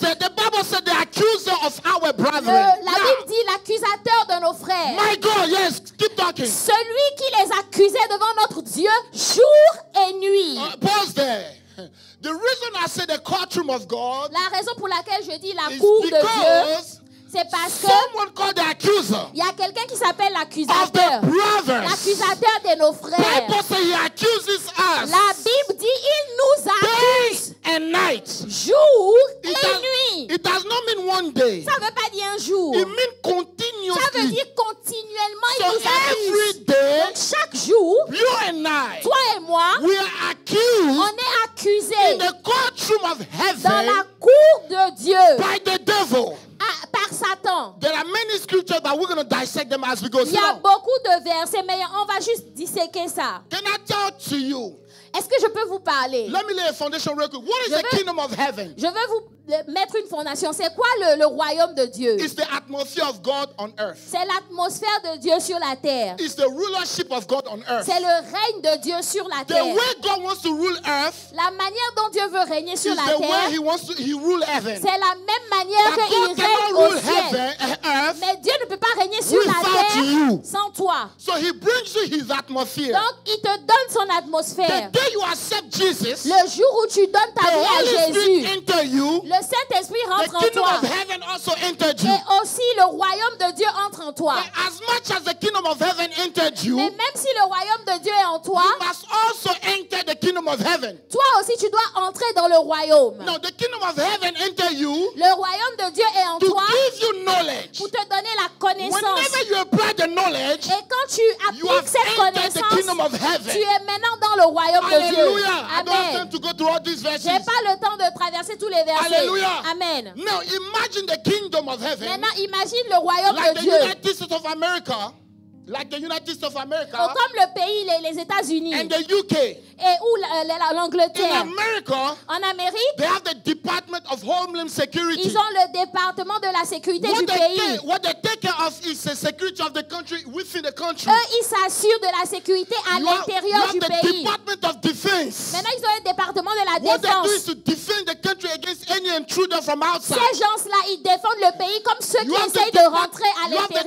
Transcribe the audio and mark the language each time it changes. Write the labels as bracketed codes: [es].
[en] The Bible said the accuser of our brethren. [fr] La Bible dit l'accusateur de nos frères. [en] My God, yes, keep talking. [fr] Celui qui les accusait devant notre Dieu jour et nuit. [en] Pause there. The reason I say the courtroom of God, [fr] la raison pour laquelle je dis la cour de Dieu, c'est parce que [en] someone called the accuser. [fr] Il y a quelqu'un qui s'appelle l'accusateur. [en] Of the brothers. [fr] L'accusateur de nos frères. [en] People say he accuses us. [fr] La Bible dit il nous accuse. [en] Day and night. [fr] Jour [en] it [fr] et [en] does, [fr] nuit. [en] It does not mean one day. [fr] Ça ne veut pas dire un jour. [en] It means continuously. [fr] Ça veut dire continuellement. [en] Every day, [fr] donc chaque jour, [en] you and I, [fr] toi et moi, [en] we are accused. [fr] On est accusés. [en] In the courtroom of heaven. [fr] Dans la cour de Dieu. [en] By the devil. [fr] Par Satan. [en] There are many scriptures, but we're going to dissect them as we go. [fr] Il y a beaucoup de versets, mais on va juste disséquer ça. [en] Can I talk to you? [fr] Est-ce que je peux vous parler? [en] Let me lay a foundation real quick. What is the kingdom of heaven? [fr] Je veux vous mettre une fondation. C'est quoi le royaume de Dieu? [en] It's the atmosphere of God on earth. [fr] C'est l'atmosphère de Dieu sur la terre. [en] It's the rulership of God on earth. [fr] C'est le règne de Dieu sur la [en] the The way God wants to rule earth. [fr] La manière dont Dieu veut régner sur la [en] the [fr] terre. [en] The way he rule heaven. [fr] C'est la même manière [en] but [fr] que [en] God [fr] il règne [en] rule [fr] au ciel. [en] Heaven, earth, [fr] mais Dieu ne peut pas régner sur la terre [en] you. [fr] Sans toi. [en] So he brings you his atmosphere. [fr] Donc il te donne son atmosphère. [en] The day you accept Jesus. [fr] Le jour où tu donnes ta vie à Jésus. [en] You, [fr] le Saint-Esprit rentre en toi. [en] Of heaven also entered you. [fr] Et aussi le royaume de Dieu entre en toi. [en] As much as the kingdom of heaven entered you, [fr] mais même si le royaume de Dieu est en toi, [en] you must also enter the kingdom of heaven. [fr] Toi aussi tu dois entrer dans le royaume. [en] No, the kingdom of heaven enter you, [fr] le royaume de Dieu est en [en] to [fr] toi [en] give you knowledge, [fr] pour te donner la connaissance. [en] Whenever you apply the knowledge, [fr] et quand tu appliques cette connaissance, tu es maintenant dans le royaume Alléluia. De Dieu. Amen. J'ai pas le temps de traverser tous les versets. Alléluia. Amen. [en] Now imagine the kingdom of heaven. [fr] Maintenant, imagine le royaume [en] like [fr] de Dieu. [en] Like the United States of America. Like the United States of America, [fr] oh, comme le pays, les États-Unis, [en] and the UK, [fr] et où l'Angleterre. [en] In America, [fr] en Amérique, [en] they have the Department of Homeland Security. [fr] Ils ont le département de la sécurité [en] what [fr] du pays. [en] What they take care of is the security of the country within the country. [fr] Eux, ils s'assurent de la sécurité à l'intérieur du pays. [en] Department of Defense. [fr] Maintenant, ils ont le département de la [en] what [fr] défense. [en] What they do is to defend the country against any intruder from outside. [fr] Ces gens-là, ils défendent le pays comme ceux qui essayent de rentrer à l'intérieur.